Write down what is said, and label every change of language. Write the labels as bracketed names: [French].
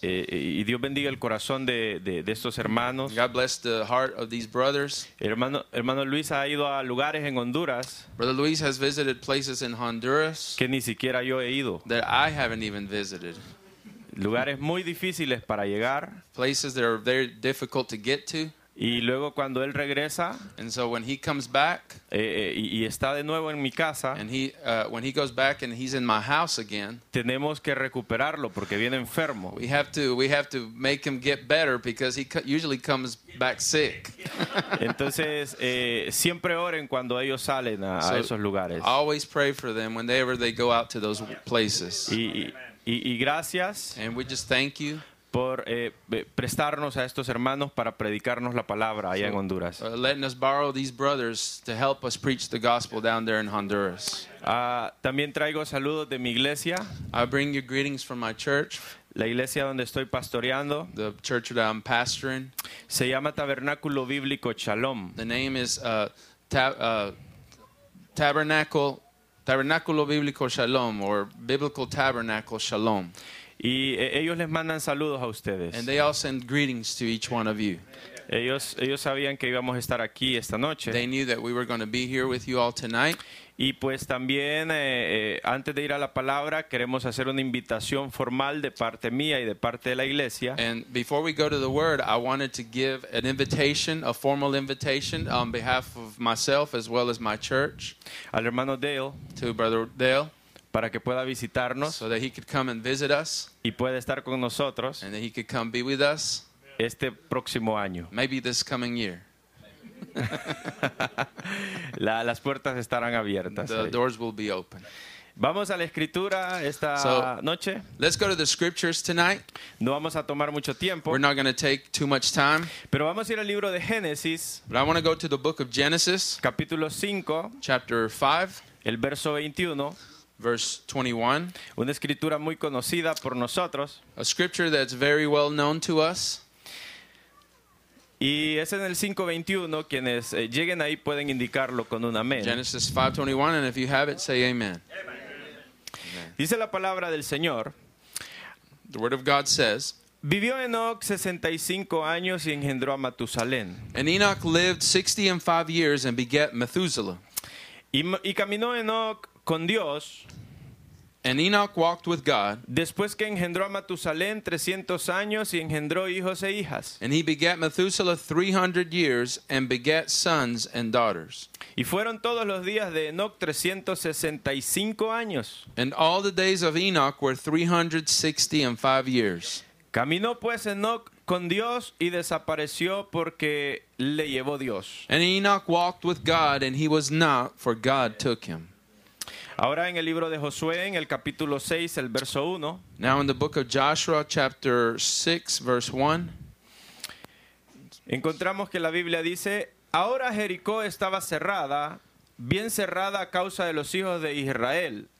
[Spanish] Y Dios bendiga el corazón de estos hermanos. [English] God bless the heart of these brothers. [Spanish] Hermano Luis ha ido a lugares en Honduras. [English] Brother Luis has visited places in Honduras. [Spanish] Que ni siquiera yo he ido. [English] That I haven't even visited. [Spanish] Lugares muy difíciles para llegar. [English] Places that are very difficult to get to. [Spanish] Y luego cuando él regresa, [English] and so when he comes back, [Spanish] y está de nuevo en mi casa, [English] and when he goes back and he's in my house again, [Spanish] tenemos que recuperarlo porque viene enfermo. [English] We have to make him get better because he usually comes back sick. [Spanish] Entonces siempre oren cuando ellos salen a esos lugares. [English] Always pray for them whenever they go out to those places. [Spanish] Y gracias. [English] And we just thank you. [Spanish] Por prestarnos a estos hermanos para predicarnos la palabra allá en Honduras. [English] Letting us borrow these brothers to help us preach the gospel down there in Honduras. [Spanish] También traigo saludos de mi iglesia. [English] I bring you greetings from my church. [Spanish] La iglesia donde estoy pastoreando. [English] The church that I'm pastoring. [Spanish] Se llama Tabernáculo Bíblico Shalom. [English] The name is Tabernáculo Bíblico Shalom or Biblical Tabernacle Shalom. [Spanish] Y ellos les mandan saludos a ustedes. [English] And they all send greetings to each one of you. [Spanish] Ellos sabían que íbamos a estar aquí esta noche. [English] They knew that we were going to be here with you all tonight. [Spanish] Y pues también antes de ir a la palabra queremos hacer una invitación formal de parte mía y de parte de la iglesia. [English] And before we go to the word, I wanted to give an invitation, a formal invitation on behalf of myself as well as my church. [Spanish] Al hermano Dale. [English] To brother Dale. [Spanish] Para que pueda visitarnos, [English] so that he could come and visit us, [Spanish] y puede estar con nosotros, [English] and that he could come be with us, [Spanish] este próximo año, [English] maybe this coming year. [Spanish] las puertas estarán abiertas. [English] The doors will be open. [Spanish] Vamos a la escritura esta noche. [English] Let's go to the scriptures tonight. [Spanish] No vamos a tomar mucho tiempo. [English] We're not going to take too much time. [Spanish] Pero vamos a ir al libro de Génesis. [English] But I want to go to the book of Genesis, [Spanish] capítulo 5, [English] chapter 5, [Spanish] el verso 21. [English] Verse 21. [Spanish] Una escritura muy conocida por nosotros. [English] A scripture that's very well known to us. [Spanish] Y es en el 5:21 quienes lleguen ahí pueden indicarlo con un amén. [English] Genesis 5:21, and if you have it, say amen. Amen. [Spanish] Dice la palabra del Señor. [English] The word of God says. [Spanish] Vivió Enoch 65 años y engendró a Matusalén. [English] And Enoch lived 65 years and begat Methuselah. [Spanish] Y caminó Enoch con Dios, [English] and Enoch walked with God. [Spanish] Después que engendró a Matusalén 300 años y engendró hijos e hijas. [English] And he begat Methuselah 300 years and begat sons and daughters. [Spanish] Y fueron todos los días de Enoch 365 años. [English] And all the days of Enoch were 365 years. [Spanish] Caminó pues Enoch con Dios y desapareció porque le llevó Dios. [English] And Enoch walked with God and he was not, for God took him. [Spanish] Ahora en el libro de Josué, en el capítulo 6, el verso 1. [English] Now in the book of Joshua, chapter 6, verse 1. [Spanish] Encontramos que la Biblia dice, ahora Jericó estaba cerrada, bien cerrada a causa de los hijos de Israel.